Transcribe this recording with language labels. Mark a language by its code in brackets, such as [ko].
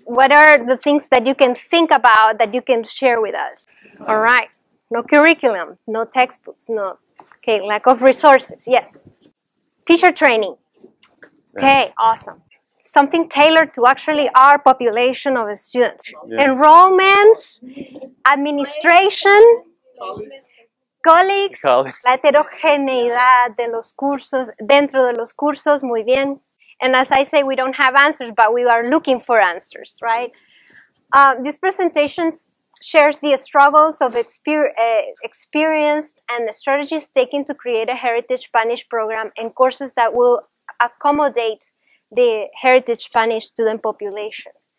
[en] What are the things that you can think about that you can share with us? All right. No curriculum, no textbooks, no. Okay, lack of resources, yes. Teacher training. Okay, awesome. Something tailored to actually our population of students. Yeah. Enrollments, administration, colleagues. [es] La heterogeneidad de los cursos, dentro de los cursos, muy bien. [en] And as I say, we don't have answers, but we are looking for answers, right? This presentation shares the struggles of experienced and the strategies taken to create a Heritage Spanish program and courses that will accommodate the Heritage Spanish student population.